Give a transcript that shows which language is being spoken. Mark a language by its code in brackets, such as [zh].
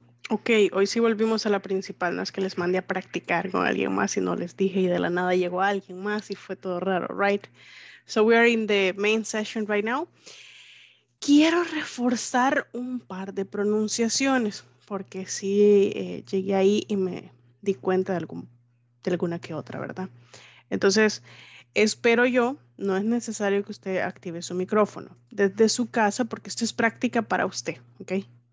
[es] Ok, hoy sí volvimos a la principal, no es que les mandé a practicar con alguien más y no les dije y de la nada llegó alguien más y fue todo raro, right? [en] So we are in the main session right now. [es] Quiero reforzar un par de pronunciaciones porque sí llegué ahí y me di cuenta de alguna que otra, ¿verdad? Entonces, espero yo, no es necesario que usted active su micrófono desde su casa porque esto es práctica para usted, ¿ok?